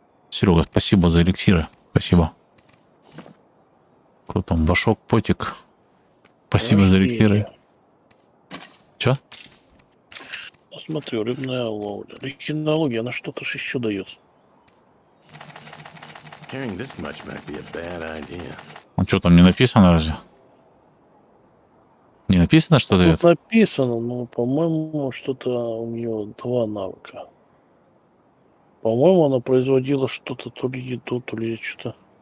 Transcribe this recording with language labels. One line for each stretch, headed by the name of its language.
Russian: Серега, спасибо за эликсиры. Спасибо. Кто там? Башок, потик. Спасибо. Подожди, за эликсиры. Чё? Смотрю, рыбная ловля. Рекинология, она что-то же еще дает.
English: Carrying this much might be a bad idea.
Russian: Ну что, там не написано разве? Не написано, что дает? Тут написано, но, по-моему, что-то у нее два навыка. По-моему, она производила что-то, то ли еду, то ли что-то.